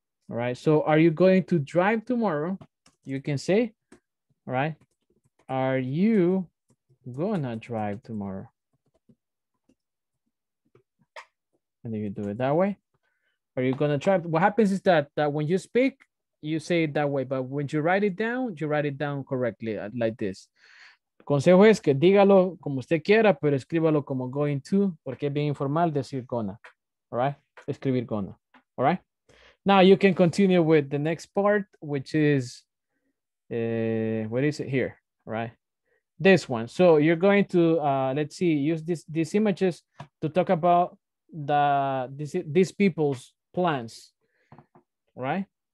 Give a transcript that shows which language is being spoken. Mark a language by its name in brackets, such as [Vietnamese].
[English] All right, so are you going to drive tomorrow? You can say, all right, are you gonna drive tomorrow? And if you do it that way, are you gonna drive? What happens is that when you speak, you say it that way, but when you write it down correctly like this. [Spanish] Consejo es que dígalo como usted quiera, pero escríbalo como going to, porque es bien informal decir gonna, all right? Escribir gonna, all right? [English] Now you can continue with the next part, which is, what is it here, right? This one. So you're going to, let's see, use these images to talk about these people's plans, right?